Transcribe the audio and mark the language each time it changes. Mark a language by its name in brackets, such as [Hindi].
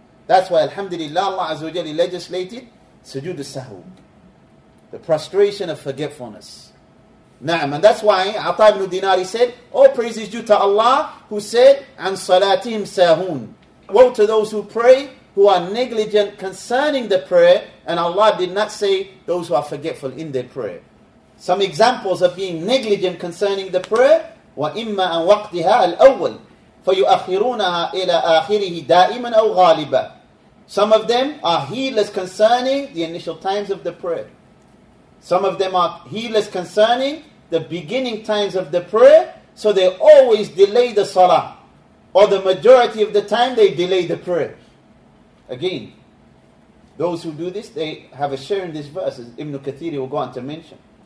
[English] That's why Alhamdulillah Allah Azza wa Jalla legislated sujood as-sahw, the prostration of forgetfulness. Na'am. And that's why Ata ibn Dinari said, all praise is due to Allah who said, [Arabic] an salatihim sahun. [English] Woe to those who pray who are negligent concerning the prayer, and Allah did not say those who are forgetful in their prayer. Some examples of being negligent concerning the prayer, [Arabic] وَإِمَّا أَنْ وَقْتِهَا الْأَوَّلِ فَيُؤَخِّرُونَهَا إِلَىٰ آخِرِهِ دَائِمًا أَوْ غَالِبًا. [English] Some of them are heedless concerning the initial times of the prayer. Some of them are heedless concerning the beginning times of the prayer, so they always delay the salah. Or the majority of the time they delay the prayer. Again, those who do this, they have a share in this verse, as Ibn Kathiri will go on to mention.